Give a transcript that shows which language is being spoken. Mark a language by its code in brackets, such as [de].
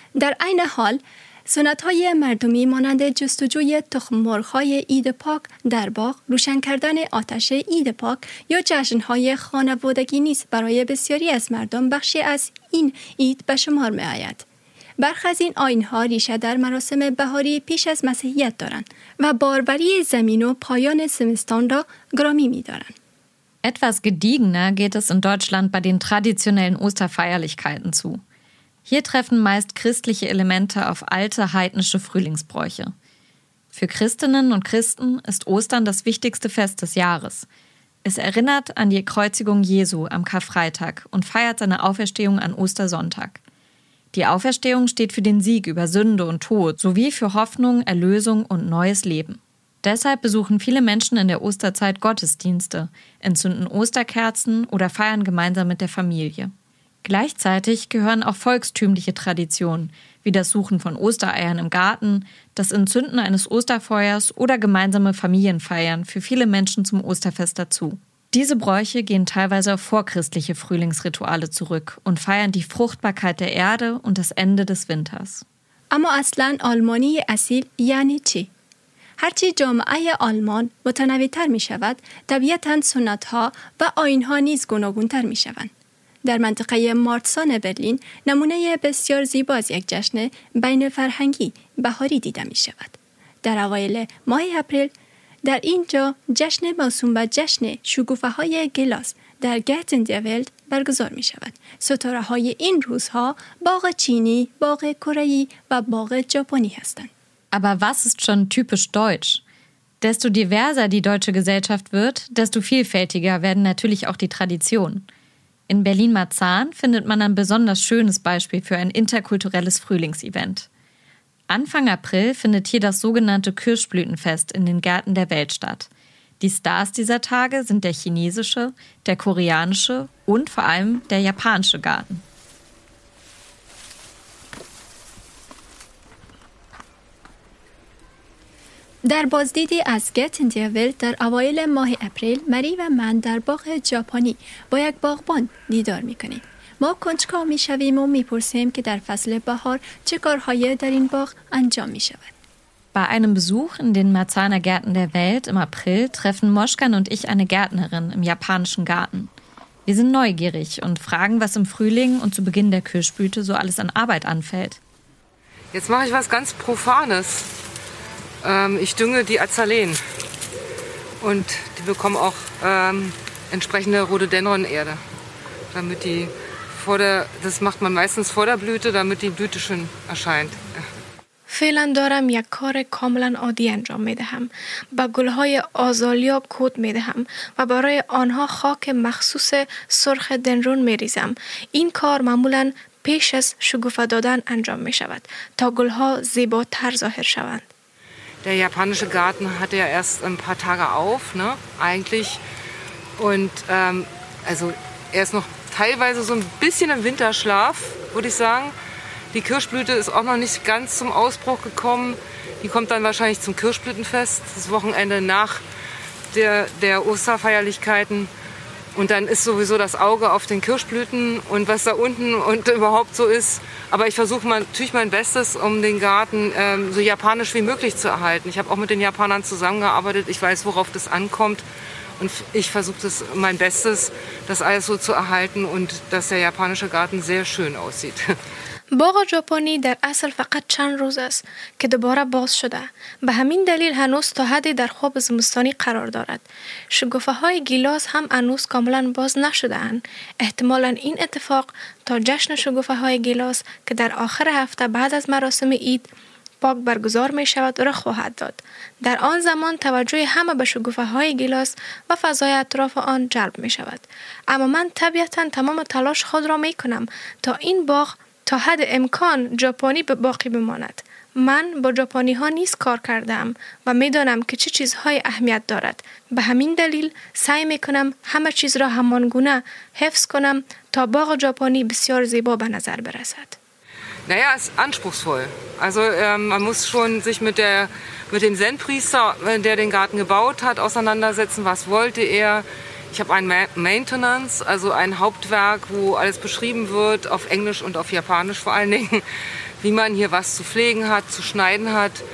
[fa] در عین حال سنت‌های مردمی مانند جستجوی تخم مرغ‌های عید پاک در باغ، روشن کردن آتش عید پاک یا جشن‌های خانوادگی نیز برای بسیاری از مردم بخشی از این عید به شمار می آید. برخی از این آیین‌ها ریشه در مراسم بهاری پیش از مسیحیت دارند و باروری زمین و پایان زمستان را گرامی می‌دارند. [de] Etwas gediegener geht es in Deutschland bei den traditionellen Osterfeierlichkeiten zu. Hier treffen meist christliche Elemente auf alte heidnische Frühlingsbräuche. Für Christinnen und Christen ist Ostern das wichtigste Fest des Jahres. Es erinnert an die Kreuzigung Jesu am Karfreitag und feiert seine Auferstehung an Ostersonntag. Die Auferstehung steht für den Sieg über Sünde und Tod sowie für Hoffnung, Erlösung und neues Leben. Deshalb besuchen viele Menschen in der Osterzeit Gottesdienste, entzünden Osterkerzen oder feiern gemeinsam mit der Familie. Gleichzeitig gehören auch volkstümliche Traditionen, wie das Suchen von Ostereiern im Garten, das Entzünden eines Osterfeuers oder gemeinsame Familienfeiern für viele Menschen zum Osterfest dazu. Diese Bräuche gehen teilweise auf vorchristliche Frühlingsrituale zurück und feiern die Fruchtbarkeit der Erde und das Ende des Winters. [fa] اما اصلاً آلمانی اصیل یعنی چی؟ هرچی جامعه آلمان متنوع‌تر می‌شود، طبیعتاً سنت‌ها و آیین‌ها نیز گوناگون‌تر می‌شوند. در منطقه مارتسان برلین، نمونه بسیار زیبا از یک جشن بین‌فرهنگی بهاری دیده می‌شود. در اوایل ماه اپریل در اینجا جشن موسوم و جشن شکوفه های گلاس در گرتندیولد برگزار می شود. ستاره های این روزها باغ چینی، باغ کره‌ای و باغ ژاپنی هستند. [de] Aber was ist schon typisch deutsch? Desto diverser die deutsche Gesellschaft wird, desto vielfältiger werden natürlich auch die Traditionen. In Berlin-Marzahn findet man ein besonders schönes Beispiel für ein interkulturelles Frühlingsevent. Anfang April findet hier das sogenannte Kirschblütenfest in den Gärten der Welt statt. Die Stars dieser Tage sind der chinesische, der koreanische und vor allem der japanische Garten. [fa] در بازدیدی از Get in the Wild در اوایل ماه اپریل، مری و من در باغ ژاپنی با یک باغبان دیدار میکنیم. ما کنجکاو میشویم و میپرسیم که در فصل بهار چه کارهایی در این باغ انجام میشود. [de] Bei einem Besuch in den Marzahner Gärten der Welt im April treffen Moschkan und ich eine Gärtnerin im japanischen Garten. Wir sind neugierig und fragen, was im Frühling und zu Beginn der Kirschblüte so alles an Arbeit anfällt. Jetzt mache ich was ganz Profanes. Ich dünge die Azaleen. Und die bekommen auch entsprechende Rhododendron-Erde. Damit die das macht man meistens vor der Blüte, damit die Blüte schön erscheint. [fa] فعلا دارم یک کار کاملا عادی انجام می دهم. با گلهای آزالیا کود می دهم و برای آنها خاک مخصوص سرخ دنرون می ریزم. این کار معمولا پیش از شکوفه دادن انجام می شود تا گلها زیباتر ظاهر شوند. [de] Der japanische Garten hatte ja erst ein paar Tage auf, ne? Eigentlich. Und also er ist noch teilweise so ein bisschen im Winterschlaf, würde ich sagen. Die Kirschblüte ist auch noch nicht ganz zum Ausbruch gekommen. Die kommt dann wahrscheinlich zum Kirschblütenfest, das Wochenende nach der Osterfeierlichkeiten. Und dann ist sowieso das Auge auf den Kirschblüten und was da unten und überhaupt so ist. Aber ich versuche natürlich mein Bestes, um den Garten so japanisch wie möglich zu erhalten. Ich habe auch mit den Japanern zusammengearbeitet. Ich weiß, worauf das ankommt. Und ich versuche mein Bestes, das alles so zu erhalten und dass der japanische Garten sehr schön aussieht. [fa] باغ ژاپنی در اصل فقط چند روز است که دوباره باز شده. به همین دلیل هنوز تا حدی در خواب زمستانی قرار دارد. شکوفه های گیلاس هم هنوز کاملا باز نشده اند. احتمالا این اتفاق تا جشن شکوفه های گیلاس که در آخر هفته بعد از مراسم عید پاک برگزار می شود رخ خواهد داد. در آن زمان توجه همه به شکوفه های گیلاس و فضای اطراف آن جلب می شود. اما من طبیعتا تمام تلاش خود را می کنم تا این باغ تا حد امکان ژاپنی به باقی بماند. من با ژاپنی ها نیز کار کردم و می دانم که چه چیزهای اهمیت دارد. به همین دلیل سعی می کنم همه چیز را همان گونه حفظ کنم تا باغ ژاپنی بسیار زیبا به نظر برسد. [de] Naja, es ist anspruchsvoll. Also man muss schon sich mit dem Zen-Priester, der den Garten gebaut hat, auseinandersetzen. Was wollte er? Ich habe ein Maintenance, also ein Hauptwerk, wo alles beschrieben wird, auf Englisch und auf Japanisch vor allen Dingen, wie man hier was zu pflegen hat, zu schneiden hat.